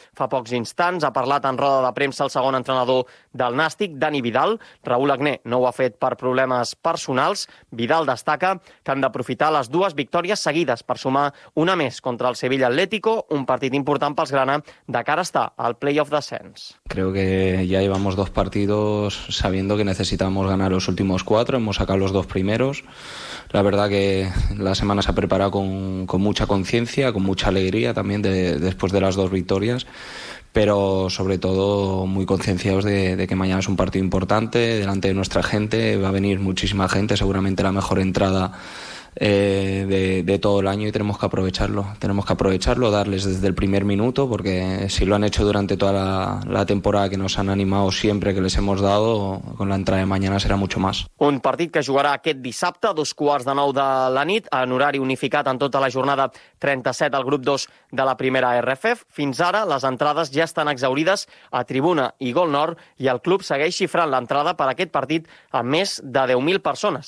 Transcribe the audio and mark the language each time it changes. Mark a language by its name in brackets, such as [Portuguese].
[Catalan] Fa pocs instants ha parlat en roda de premsa el segon entrenador del Nàstic, Dani Vidal. Raúl Agné no ho ha fet per problemes personals. Vidal destaca que han d'aprofitar les dues victòries seguides per sumar una més contra el Sevilla Atlético, un partit important pels grana de cara a estar al play-off d'ascens. [Spanish] Creo que ya llevamos dos partidos sabiendo que necesitamos ganar los últimos cuatro, hemos sacado los dos primeros. La verdad que la semana se ha preparado con mucha conciencia, con mucha alegría también después de las dos victorias, pero sobre todo muy concienciados de que mañana es un partido importante delante de nuestra gente. Va a venir muchísima gente, seguramente la mejor entrada de todo el año, y tenemos que aprovecharlo, darles desde el primer minuto, porque si lo han hecho durante toda la temporada, que nos han animado siempre que les hemos dado, con la entrada de mañana será mucho más. [Catalan] Un partit que jugarà aquest dissabte a 8:45 de la nit, en horari unificat en tota la jornada 37 al grup 2 de la primera RFF. Fins ara les entrades ja estan exaurides a Tribuna i Gol Nord, i el club segueix xifrant l'entrada per aquest partit a més de 10.000 persones.